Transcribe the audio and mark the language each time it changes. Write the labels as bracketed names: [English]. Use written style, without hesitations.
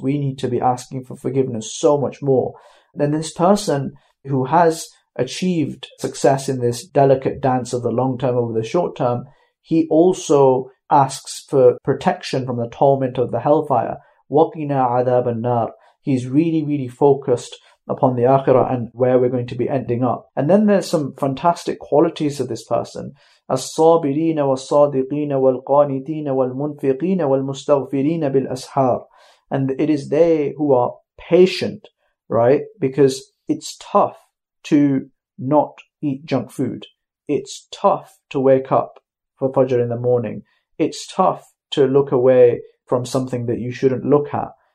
[English] We need to be asking for forgiveness so much more. Then this person who has achieved success in this delicate dance of the long term over the short term, he also asks for protection from the torment of the hellfire. [Arabic] وَقِنَا عَذَابَ النَّارِ. [English] He's really, really focused upon the akhirah and where we're going to be ending up. And then there's some fantastic qualities of this person. [Arabic] الصابرين والصادقين والقانتين والمنفقين والمستغفرين بالأسحار. [English] And it is they who are patient, right? Because it's tough to not eat junk food. It's tough to wake up for Fajr in the morning. It's tough to look away from something that you shouldn't look at.